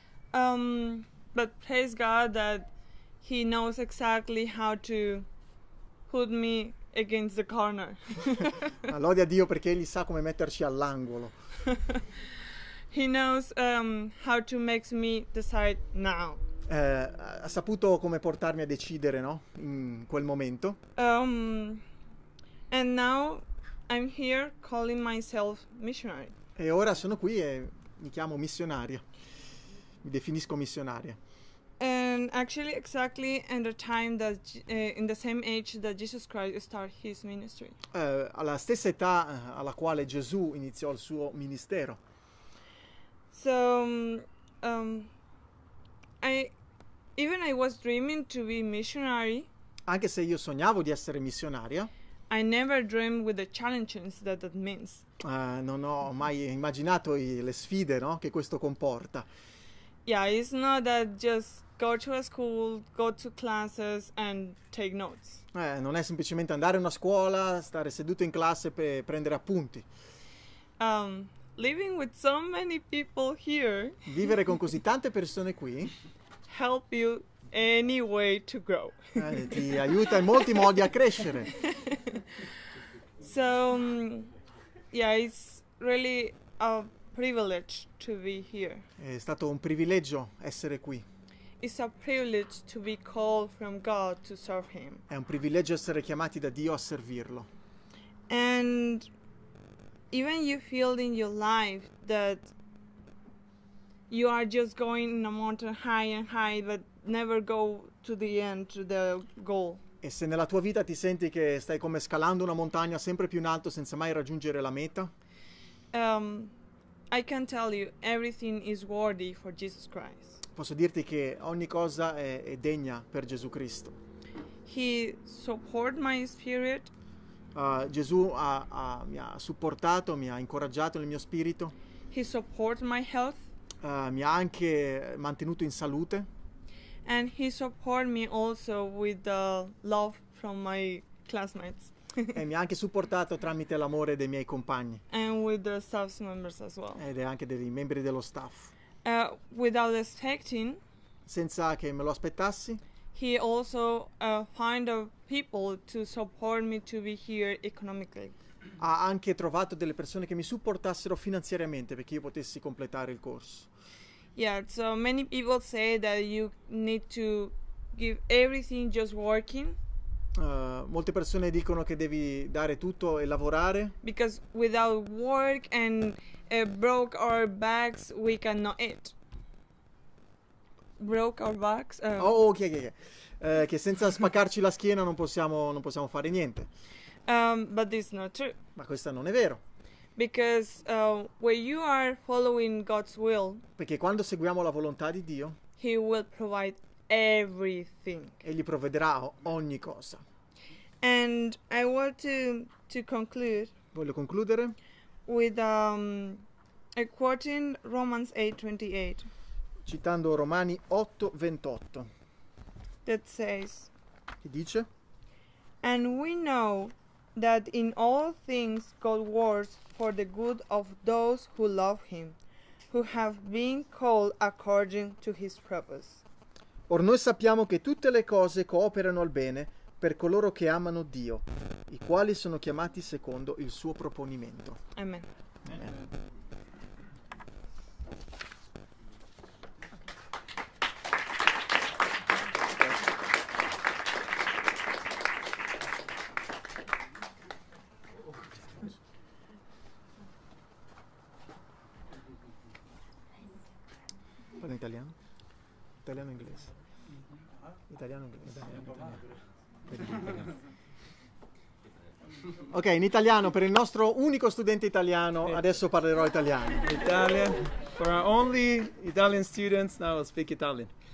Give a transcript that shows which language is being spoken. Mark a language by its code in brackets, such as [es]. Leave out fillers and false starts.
[en] But praise God that He knows exactly how to put me against the corner. [it] Lodi a Dio perché Egli sa come metterci all'angolo. [en] He knows how to make me decide now. [it] Ha saputo come portarmi a decidere, no? In quel momento. [en] And now I'm here calling myself missionary. [it] E ora sono qui e mi chiamo missionaria. Mi definisco missionaria. [en] And actually exactly in the time that in the same age that Jesus Christ started his ministry. [it] Alla stessa età alla quale Gesù iniziò il suo ministero. [en] So I was dreaming to be missionary. [it] Anche se io sognavo di essere missionaria. [en] I never dreamed with the challenges that means. [it] Non ho mai immaginato le sfide, no, che questo comporta. [en] Yeah, it's not that just go to a school, go to classes and take notes. [it] Non è semplicemente andare a una scuola, stare seduto in classe per prendere appunti. [en] Living with so many people here. [it] Vivere con così tante persone qui. [en] Help you any way to grow. [it] Ti aiuta in molti modi a crescere. [en] So, yeah, it's really a privilege to be here. [it] È stato un privilegio essere qui. [en] It's a privilege to be called from God to serve Him. [it] È un privilegio essere chiamati da Dio a servirlo. [en] And even you feel in your life that you are just going in a mountain high and high, but never go to the end, to the goal. [it] E se nella tua vita ti senti che stai come scalando una montagna sempre più in alto senza mai raggiungere la meta? [en] I can tell you everything is worthy for Jesus Christ. [it] Posso dirti che ogni cosa è degna per Gesù Cristo. [en] He support my spirit. [it] Gesù mi ha supportato, mi ha incoraggiato nel mio spirito. [en] He support my health. [it] Mi ha anche mantenuto in salute. [en] And he supported me also with the love from my classmates. [it] E mi ha anche supportato tramite l'amore dei miei compagni. [en] And with the staff members as well. [it] Ed è anche dei membri dello staff. [en] Without expecting. [it] Senza che me lo aspettassi. [en] He also find a people to support me to be here economically. [it] Ha anche trovato delle persone che mi supportassero finanziariamente perché io potessi completare il corso. [en] Yeah, so many people say that you need to give everything just working. [it] Molte persone dicono che devi dare tutto e lavorare. [en] Because without work and broke our backs, we cannot eat. Broke our backs. [it] Che senza spaccarci la schiena non possiamo fare niente. [en] But this is not true. [it] Ma questo non è vero. [en] Because when you are following God's will. [it] Perché quando seguiamo la volontà di Dio. [en] He will provide everything. [it] Egli provvederà ogni cosa. [en] And I want to conclude. [it] Voglio concludere. [en] With a quote in Romans 8:28. [it] Citando Romani 8:28. [en] That says. [it] Che dice? [en] And we know that in all things God works for the good of those who love him, who have been called according to his purpose. [it] Or noi sappiamo che tutte le cose cooperano al bene per coloro che amano Dio, i quali sono chiamati secondo il suo proponimento. [en] Amen. Amen. [it] Italiano-inglese. Italiano-inglese. Ok, in italiano per il nostro unico studente italiano, adesso parlerò italiano. [en] Italian. For our only Italian students, now I'll speak Italian.